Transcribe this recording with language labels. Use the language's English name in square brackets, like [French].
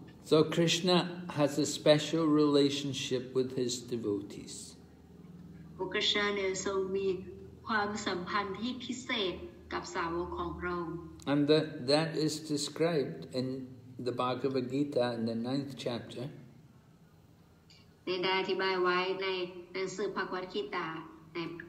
[English] So Krishna has a special relationship with his devotees [Thai] พระคริสนาเนี่ยทรงมีความสัมพันธ์ที่พิเศษกับสาวกของพระองค์ [English] And that is described in the Bhagavad Gita in the 9th chapter [Thai] ได้อธิบายไว้ในหนังสือพระกัฏฐกถาใน